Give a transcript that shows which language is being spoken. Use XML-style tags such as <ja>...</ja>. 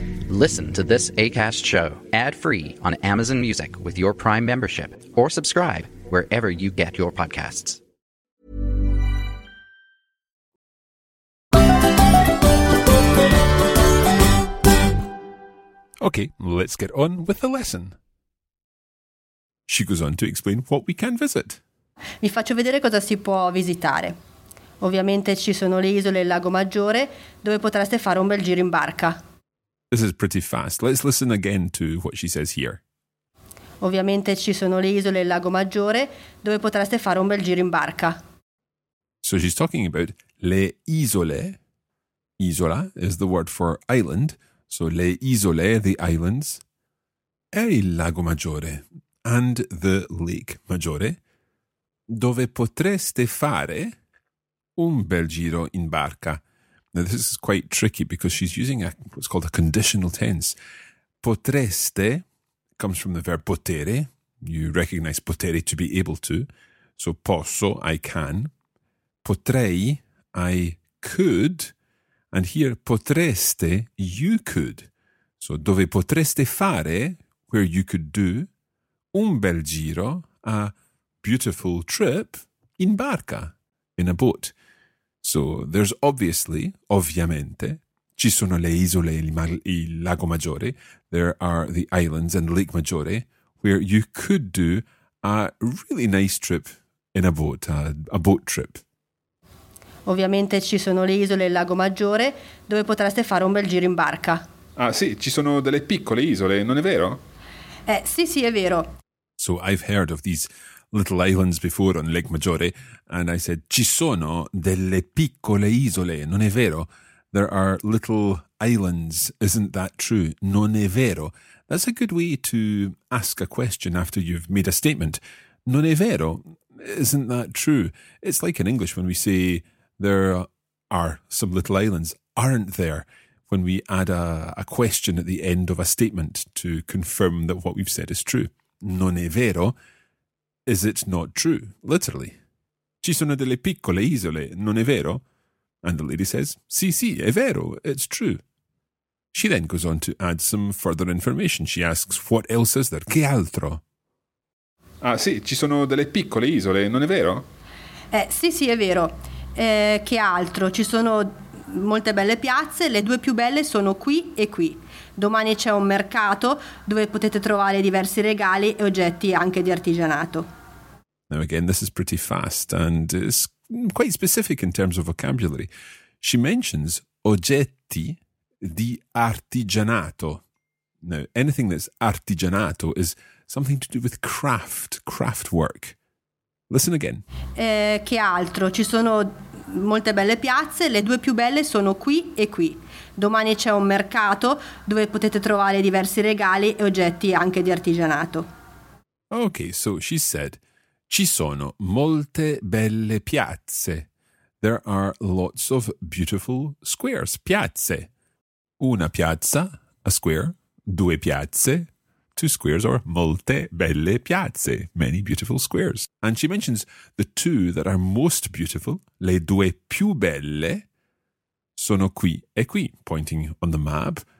<en>Listen to this Acast show ad-free on Amazon Music with your Prime membership or subscribe wherever you get your podcasts. Okay, let's get on with the lesson. She goes on to explain what we can visit.</en> <it>Vi faccio vedere cosa si può visitare. Ovviamente ci sono le isole e il Lago Maggiore, dove potreste fare un bel giro in barca.</it> <en>This is pretty fast. Let's listen again to what she says here.</en> <it>Ovviamente ci sono le isole e il Lago Maggiore, dove potreste fare un bel giro in barca. So she's talking about le isole. Isola is the word for island. So le isole,</it> <en>the islands,</en> <it>e il Lago Maggiore,</it> <en>and the Lake Maggiore,</en> <it>dove potreste fare un bel giro in barca.</it> <en>Now, this is quite tricky because she's using what's called a conditional tense. Potreste comes from the verb potere. You recognize potere to be able to. So posso, I can. Potrei, I could. And here, potreste, you could. So</en> <it>dove potreste fare,</it> <en>where you could do,</en> <it>un bel giro,</it> <en>a beautiful trip,</en> <it>in barca,</it> <en>in a boat. So there's obviously, ovviamente,</en> <it>ci sono le isole e il lago maggiore.</it> <en>There are the islands and Lake Maggiore, where you could do a really nice trip in a boat, a boat trip.</en> <it>Ovviamente ci sono le isole e il lago maggiore, dove potreste fare un bel giro in barca. Ah sì, ci sono delle piccole isole, non è vero? Sì sì, è vero.</it> <en>So I've heard of these little islands before on Lake Maggiore, and I said,</en> <it>ci sono delle piccole isole, non è vero?</it> <en>There are little islands, isn't that true?</en> <it>Non è vero?</it> <en>That's a good way to ask a question after you've made a statement.</en> <it>Non è vero?</it> <en>Isn't that true? It's like in English when we say, there are some little islands, aren't there? When we add a question at the end of a statement to confirm that what we've said is true.</en> <it>Non è vero?</it> <en>Is it not true? Literally.</en> <it>Ci sono delle piccole isole, non è vero?</it> <en>And the lady says,</en> <it>sì, sì, è vero,</it> <en>it's true. She then goes on to add some further information. She asks, what else is there?</en> <it>Che altro? Ah, sì, ci sono delle piccole isole, non è vero? Sì, sì, è vero. Che altro? Ci sono molte belle piazze, le due più belle sono qui e qui. Domani c'è un mercato dove potete trovare diversi regali e oggetti anche di artigianato.</it> <en>Now again, this is pretty fast and it's quite specific in terms of vocabulary. She mentions oggetti di artigianato. Now, anything that's artigianato is something to do with craft work. Listen again.</en> <it>Che altro? Ci sono molte belle piazze, le due più belle sono qui e qui. Domani c'è un mercato dove potete trovare diversi regali e oggetti anche di artigianato.</it> <en>Okay, so she said,</en> <it>ci sono molte belle piazze.</it> <en>There are lots of beautiful squares, piazze.</en> <it>Una piazza,</it> <en>a square,</en> <it>due piazze,</it> <en>two squares, or</en> <it>molte belle piazze,</it> <en>many beautiful squares. And she mentions the two that are most beautiful,</en> <it>le due più belle, sono qui e qui,</it> <en>pointing on the map.</en>